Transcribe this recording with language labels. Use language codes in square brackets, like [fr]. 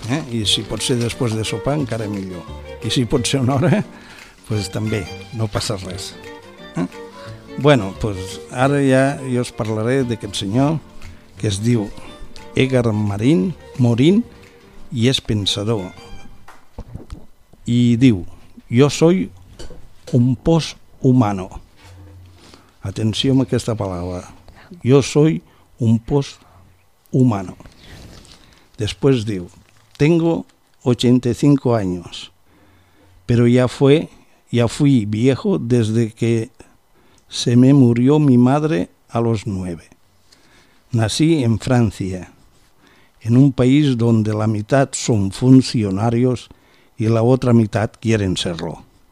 [ca] I si pot ser després de sopar encara millor. I si pot ser una hora, pues també, no passa res. Bueno, pues ara ja jo us parlaré d'aquest senyor que es diu Edgar Morín i és pensador. I diu, [es] jo soy un post-humano. [ca] Atenció amb aquesta paraula. [es] Jo soy un post-humano. [ca] Després diu, [es] tengo 85 años, pero ya fui viejo desde que se me murió mi madre a los 9. Nací en Francia, en un país donde la mitad son funcionarios y la otra mitad quieren serlo.